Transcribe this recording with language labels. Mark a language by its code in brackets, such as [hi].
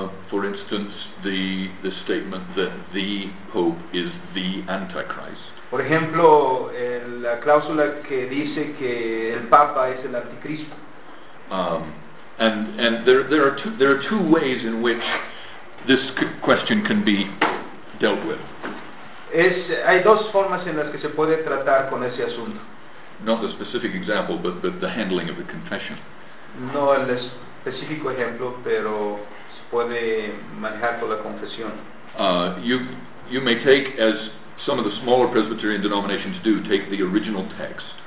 [en] For instance, the statement that the Pope is the Antichrist. [es] Por ejemplo, la cláusula que dice que el Papa es el Anticristo. [en] And there are two ways in which this question can be dealt with. [es] Es, hay dos formas en las que se puede tratar con ese asunto. [en] Not the specific example, but the handling of the confession. [es] No el específico ejemplo, pero se puede manejar con la confesión. [en] You may take, as some of the smaller Presbyterian denominations do, take the original text.